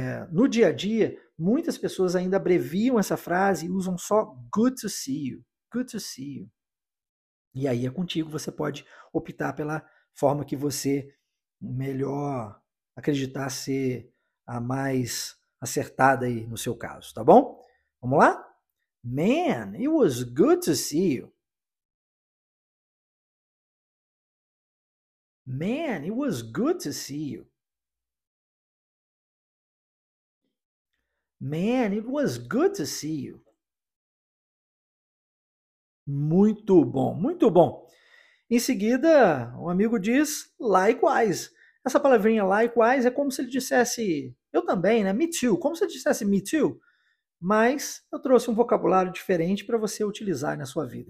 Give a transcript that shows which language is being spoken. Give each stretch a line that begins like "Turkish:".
Portuguese: No dia a dia, muitas pessoas ainda abreviam essa frase e usam só
English: "good to see you," "good to see you."
Portuguese: E aí é contigo, você pode optar pela forma que você melhor acreditar ser a mais acertada aí no seu caso, tá bom? Vamos lá?
English: "Man, it was good to see you." "Man, it was good to see you." "Man, it was good to see you."
Portuguese: Muito bom, muito bom. Em seguida, um amigo diz: "Likewise." Essa palavrinha likewise é como se ele dissesse "eu também, né?
English: Me too."
Portuguese: Como se ele dissesse
English: "me too."
Portuguese: Mas eu trouxe um vocabulário diferente para você utilizar na sua vida.